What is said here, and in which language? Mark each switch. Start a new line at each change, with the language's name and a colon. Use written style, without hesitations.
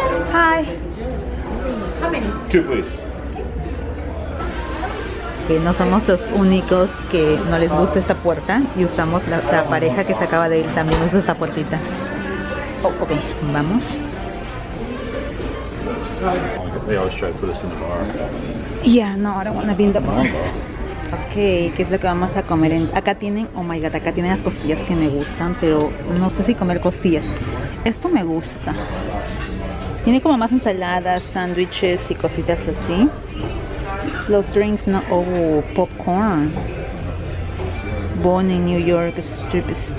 English: Hi. How many? Two, please.
Spanish: Okay, no somos los únicos que no les gusta esta puerta y usamos la pareja que se acaba de ir también usa esta puertita. Oh, okay, vamos.
English: They always try to put us in the bar. Yeah, no, I don't want to be in the bar.
Spanish: Okay, ¿qué es lo que vamos a comer? Acá tienen,
English: oh my God,
Spanish: acá tienen las costillas que me gustan, pero no sé si comer costillas. Esto me gusta. Tiene como más ensaladas, sándwiches y cositas así.
English: Los drinks, no, oh, popcorn. Born in New York, strips.